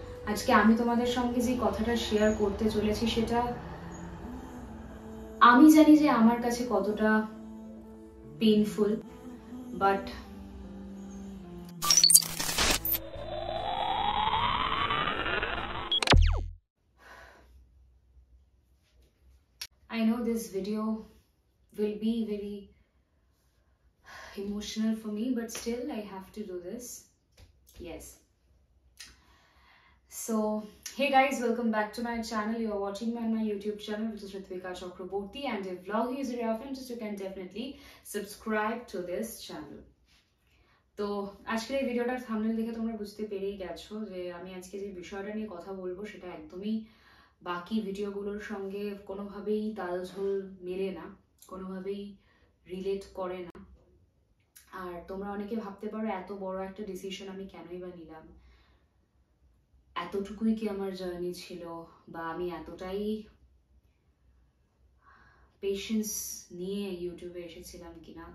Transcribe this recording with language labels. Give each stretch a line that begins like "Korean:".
Bangla: আজকে আমি তোমাদের সঙ্গে যে কথাটা শেয়ার করতে চলেছি সেটা আমি জানি যে আমার কাছে কতটা painful, but
English: this video will be very emotional for me, but still I have to do this. Yes. So, hey guys, welcome back to my channel. You are watching me on my YouTube channel, which is Ritvika Chakraborty, and if vlog is your reference, you can definitely subscribe to this channel.
Bangla: তো আজকের এই ভিডিওটার thumbnail দেখে তোমরা বুঝতে পেরেই গেছো যে আমি আজকে যে বিষয়টা নিয়ে কথা বলবো সেটা একদমই বাকি ভিডিওগুলোর সঙ্গে কোনোভাবেই তাল ঝোল মেলে না, কোনোভাবেই রিলেট করে না। আর তোমরা অনেকে ভাবতে পারো এত বড় একটা ডিসিশন আমি কেনই বা নিলাম, এতটুকুই কি আমার জার্নি ছিল, বা আমি এতটাই পেশেন্স নিয়ে ইউটিউবে এসেছিলাম কিনা।